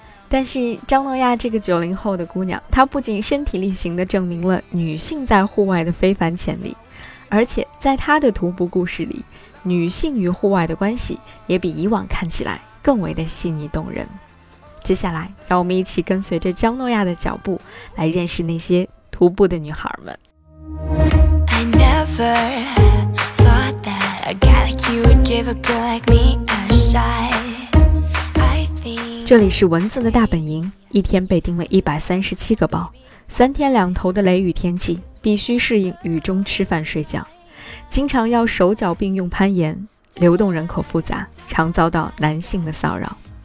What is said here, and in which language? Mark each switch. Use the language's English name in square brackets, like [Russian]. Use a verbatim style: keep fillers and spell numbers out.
[Chinese] 但是张诺亚这个九零后的姑娘，她不仅身体力行地证明了女性在户外的非凡潜力，而且在她的徒步故事里，女性与户外的关系也比以往看起来更为的细腻动人。接下来，让我们一起跟随着张诺亚的脚步，来认识那些徒步的女孩们。 [English] Never thought that a guy like you would give a girl like me a shot. I think [Chinese] 这里是蚊子的大本营，一天被叮了一百三十七个包，三天两头的雷雨天气，必须适应雨中吃饭睡觉，经常要手脚并用攀岩，流动人口复杂，常遭到男性的骚扰。